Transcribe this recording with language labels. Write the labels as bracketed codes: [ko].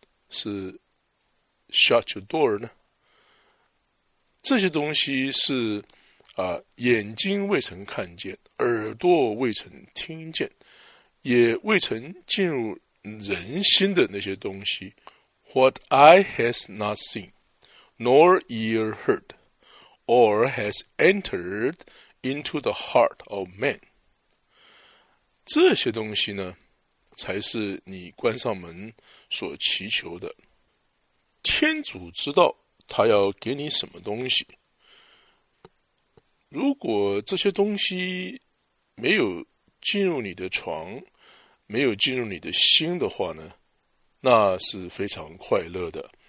[en] 是 shut your door 呢？ [zh] 这些东西是、眼睛未曾看见，耳朵未曾听见，也未曾进入人心的那些东西。 [en] What eye has not seen, nor ear heard, or has entered into the heart of man。 [zh] 这些东西呢，才是你关上门所祈求的。天主知道他要给你什么东西。如果这些东西没有进入你的床，没有进入你的心的话呢，那是非常快乐的。